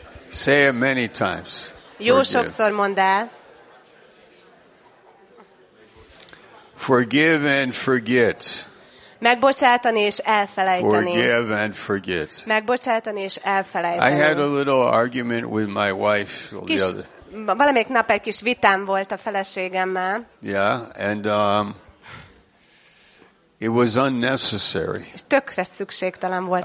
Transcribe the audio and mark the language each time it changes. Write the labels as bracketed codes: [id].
[en] Say it many times. [hu] Jó sokszor mondd el. [en] Forgive and forget. [hu] Megbocsátani és elfelejteni. [en] Forgive and forget. [hu] Megbocsátani és elfelejteni. [en] I had a little argument with my wife the other. [hu] Valamelyik nap egy kis vitám volt a feleségemmel. [en] Yeah, and it was unnecessary. [hu] Tökre szükségtelen volt